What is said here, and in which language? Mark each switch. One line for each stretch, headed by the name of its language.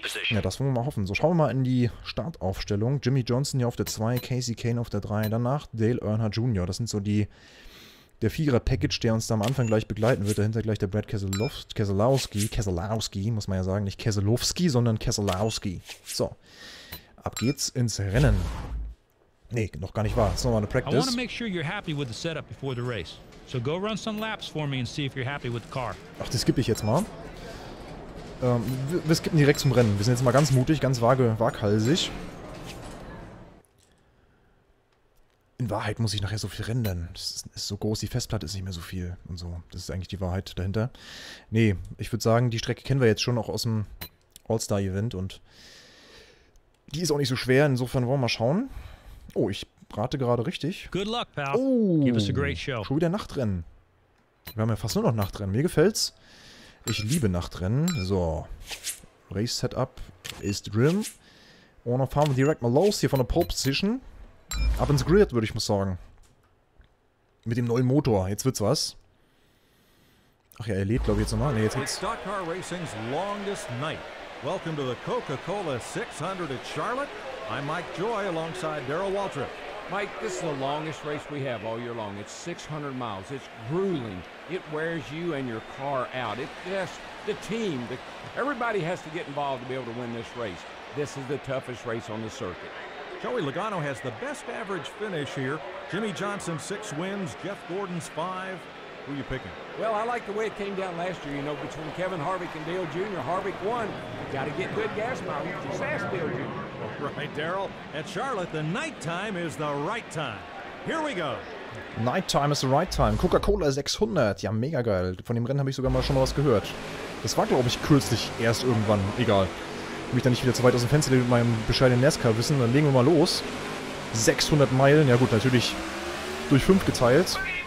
German: Ja, das wollen wir mal hoffen. So, schauen wir mal in die Startaufstellung. Jimmy Johnson hier auf der 2, Kasey Kahne auf der 3, danach Dale Earnhardt Jr. Das sind so die. Der Vierer-Package, der uns da am Anfang gleich begleiten wird. Dahinter gleich der Brad Keselowski, muss man ja sagen. Nicht Keselowski, sondern Keselowski. So. Ab geht's ins Rennen. Nee, noch gar nicht wahr. Jetzt nochmal eine Practice. Ich will
English: make sure you're happy with the setup before the race. So go run some laps for me and see if you're happy with the car.
German: Ach, das skippe ich jetzt mal. Wir skippen direkt zum Rennen. Wir sind jetzt mal ganz mutig, ganz waghalsig. In Wahrheit muss ich nachher so viel rendern. Das ist so groß, die Festplatte ist nicht mehr so viel und so. Das ist eigentlich die Wahrheit dahinter. Nee, ich würde sagen, die Strecke kennen wir jetzt schon auch aus dem All-Star-Event und die ist auch nicht so schwer. Insofern wollen wir mal schauen. Oh, ich rate gerade richtig.
English: Good luck, pal. Oh, give us a great show.
German: Schon wieder Nachtrennen. Wir haben ja fast nur noch Nachtrennen. Mir gefällt's. Ich liebe Nachtrennen. So. Race-Setup ist drin. Und dann fahren wir direkt mal los hier von der Pole Position. Ab ins Grid, würde ich mal sagen. Mit dem neuen Motor. Jetzt wird's was. Ach ja, er lebt, glaube ich, jetzt nochmal. Ne, jetzt geht's.
English: Stock Car Racing's longest night. Welcome to the Coca-Cola 600 at Charlotte. I'm Mike Joy alongside Darrell Waltrip. Mike, this is the longest race we have all year long. It's 600 miles. It's grueling. It wears you and your car out. It just, the team, everybody has to get involved to be able to win this race. This is the toughest race on the circuit. Joey Logano has the best average finish here. Jimmy Johnson, 6 wins. Jeff Gordon's 5. Who are you picking? Well, I like the way it came down last year. You know, between Kevin Harvick and Dale Jr., Harvick won. Got to get good gas mileage. Just ask Dale Jr. Right, Darrell. At Charlotte, the nighttime is the right time. Here we go. Nighttime is the right time.
German: Coca-Cola 600. Ja, mega geil. Von dem Rennen habe ich sogar mal schon mal was gehört. Das war, glaube ich, kürzlich erst irgendwann. Egal. Ich mich da nicht wieder zu weit aus dem Fenster mit meinem bescheidenen NASCAR-Wissen. Dann legen wir mal los. 600 Meilen. Ja gut, natürlich durch 5 geteilt.